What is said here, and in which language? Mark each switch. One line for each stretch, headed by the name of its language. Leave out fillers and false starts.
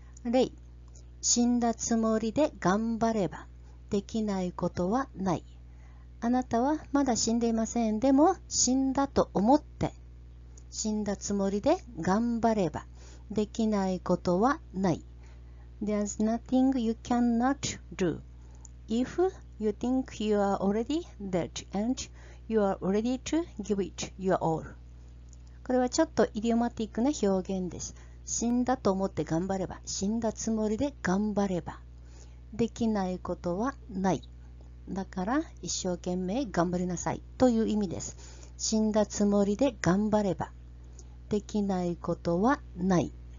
Japanese: 例、死んだつもりで頑張ればできないことはない。あなたはまだ死んでいません。でも、死んだと思って。死んだつもりで頑張ればできないことはない。
English: There's nothing you cannot do. If you think you are already dead and you are ready to give it your all.
Japanese: これはちょっとイディオマティックな表現です。死んだと思って頑張れば、死んだつもりで頑張ればできないことはない。だから一生懸命頑張りなさいという意味です。死んだつもりで頑張ればできないことはない。